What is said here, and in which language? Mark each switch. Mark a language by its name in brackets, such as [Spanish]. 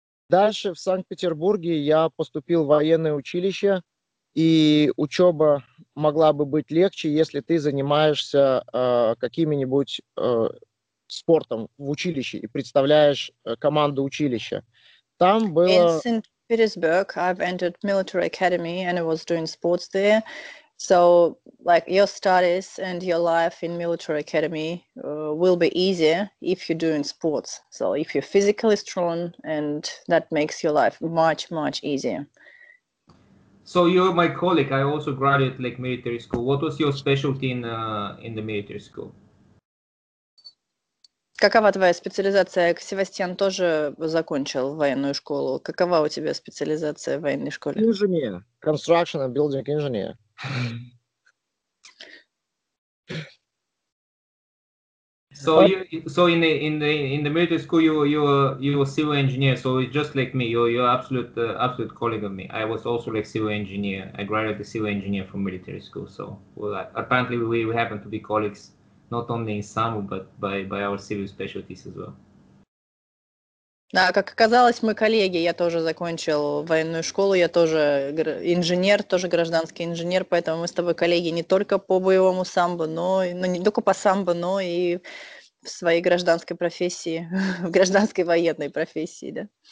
[Russian] Дальше в Санкт-Петербурге я поступил в военное училище. И учеба могла бы быть легче, если ты занимаешься каким-нибудь спортом в училище и представляешь команду училища. Там было. [English] In St. Petersburg, I've entered military academy and I was doing sports there. So, like your studies and your life in military academy will be easier if you're doing sports. So, if you're physically strong, and that makes your life much, much easier. So you're my colleague. I also graduated like military school. What was your specialty in the military school? [Russian] Какова твоя специализация? Севастьян тоже закончил военную школу. Какова у тебя специализация в военной школе? [English] Engineer, construction and building engineer. So in the military school you were civil engineer, so it's just like me, you're absolute colleague of me. I was also like civil engineer. I graduated as civil engineer from military school, so apparently we happen to be colleagues not only in Samba, but by our civil specialties as well. [Russian] Да, как оказалось, мы коллеги. Я тоже закончил военную школу, я тоже инженер, тоже гражданский инженер, поэтому мы с тобой коллеги не только по боевому самбо, но не только по самбо, но и в своей гражданской профессии, в гражданской военной профессии, да.